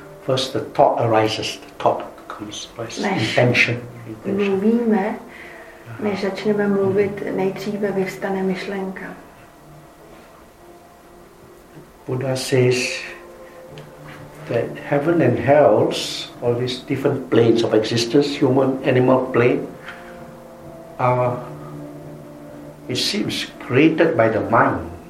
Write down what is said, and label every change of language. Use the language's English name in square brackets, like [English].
[English] First the thought arises, the thought comes, right? Intention. [Czech] Mluvíme, než začneme mluvit, nejdříve vyvstane myšlenka. [English] Buddha says that heaven and hells, all these different planes of existence, human, animal plane, are, it seems, created by the mind.